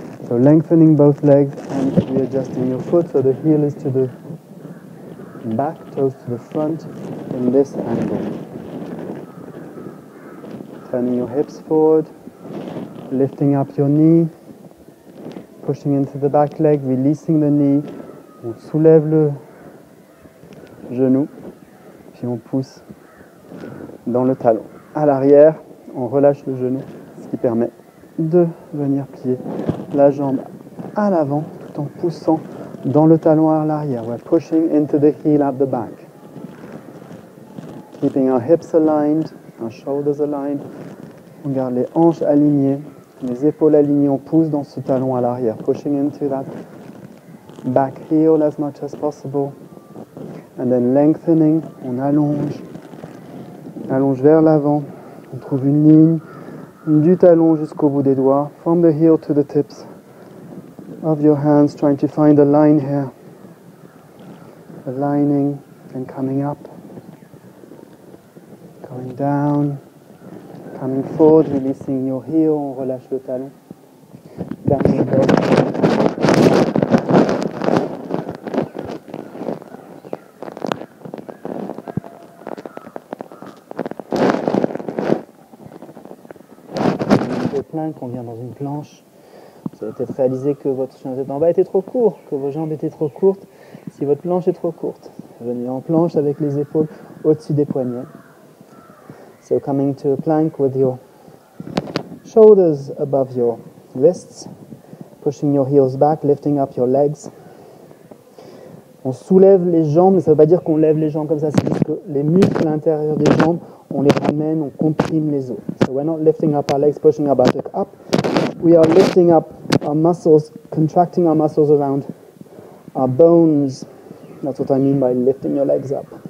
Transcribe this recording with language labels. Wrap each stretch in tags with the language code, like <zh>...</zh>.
<en>So lengthening both legs and readjusting your foot, so the heel is to the back, toes to the front, in this angle. Turning your hips forward. Lifting up your knee, pushing into the back leg, releasing the knee.</en> <fr>On soulève le genou, puis on pousse dans le talon. À l'arrière, on relâche le genou, ce qui permet de venir plier la jambe à l'avant tout en poussant dans le talon à l'arrière.</fr> <en>We're pushing into the heel at the back. Keeping our hips aligned, our shoulders aligned.</en> <fr>On garde les hanches alignées. Les épaules alignées, on pousse dans ce talon à l'arrière.</fr> <en>Pushing into that back heel as much as possible. And then lengthening,</en> <fr>on allonge. On allonge vers l'avant. On trouve une ligne du talon jusqu'au bout des doigts.</fr> <en>From the heel to the tips of your hands, trying to find a line here. Aligning and coming up. Going down. Coming forward, releasing your heel,</en> <fr>on relâche le talon. Dernier dos. Vous vous plaignez qu'on vient dans une planche. Vous avez peut-être réalisé que votre chaise en bas était trop courte, que vos jambes étaient trop courtes. Si votre planche est trop courte, venez en planche avec les épaules au-dessus des poignets.</fr> <en>So coming to a plank with your shoulders above your wrists, pushing your heels back, lifting up your legs.</en> <fr>On soulève les jambes, mais ça ne veut pas dire qu'on lève les jambes comme ça, c'est juste que les muscles à l'intérieur des jambes, on les ramène, on comprime les os.</fr> <en>So we're not lifting up our legs, pushing our buttock up. We are lifting up our muscles, contracting our muscles around our bones. That's what I mean by lifting your legs up.</en>